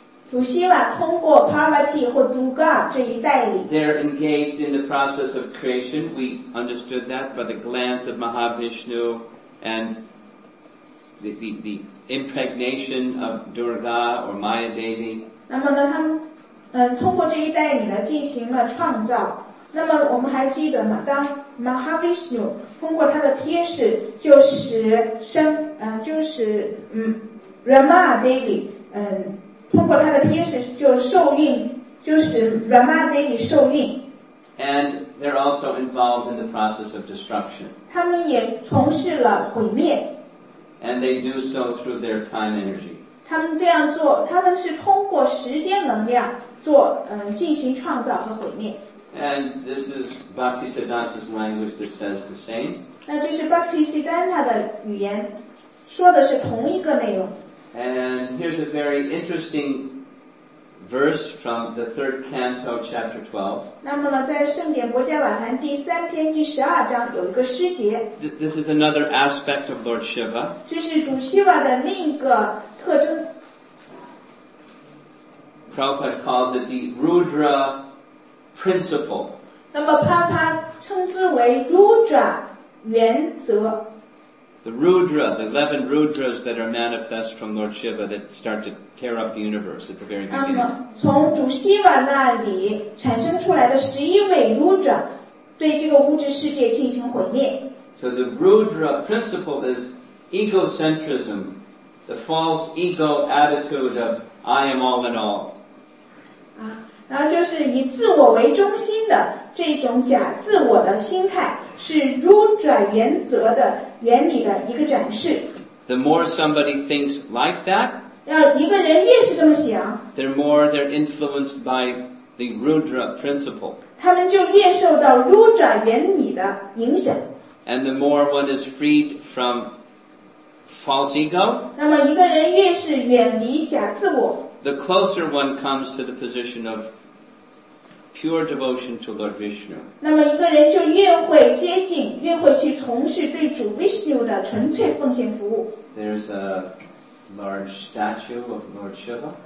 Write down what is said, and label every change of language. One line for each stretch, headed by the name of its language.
Chinese: 主 Shiva 通过 Parvati 或 Durga 这一代理
English: ，they're engaged in the process of creation. We understood that by the glance of Mahavishnu and the impregnation of Durga or Maya Devi.
Chinese: 那么呢，他们通过这一代理呢进行了创造。那么我们还记得吗？当 Mahavishnu 通过他的贴士，就使Rama Devi 通过他的贴士就受孕，就使 Rama Devi 受孕。
English: And they're also involved in the process of destruction.
Chinese: 他们也从事了毁灭。
English: And they do so through their time energy.
Chinese: 他们这样做，他们是通过时间能量做进行创造和毁灭。
English: And this is Bhaktisiddhanta's language that says the same.
Chinese: 那这是 Bhaktisiddhanta 的语言，说的是同一个内容。
English: And here's a very interesting verse from the third canto, chapter 12.
Chinese: 那么呢，在圣典薄伽梵谈第三篇第十二章有一个诗节。
English: This is another aspect of Lord Shiva.
Chinese: 这是主 Shiva 的另一个特征。
English: Prabhupada calls it the Rudra principle.
Chinese: 那么把它称之为 Rudra 原则。
English: The Rudra, the 11 Rudras that are manifest from Lord Shiva that start to tear up the universe at the very beginning.
Chinese: 那么从主希瓦那里产生出来的11位 Rudra 对这个物质世界进行毁灭。
English: So the Rudra principle is egocentrism, the false ego attitude of I am all in all.
Chinese: 然后就是以自我为中心的这种假自我的心态是 Rudra 原则的原理的一个展示。
English: The more somebody thinks like that,
Chinese: 要一个人越是这么想
English: the more they're influenced by the Rudra principle.
Chinese: 他们就越受到 Rudra 原理的影响。
English: And the more one is freed from false ego,
Chinese: 那么一个人越是远离假自我
English: the closer one comes to the position of pure devotion to Lord Vishnu.
Chinese: 那么一个人就越会接近，越会去从事对主 Vishnu 的纯粹奉献服务。
English: There's a large statue of Lord Shiva.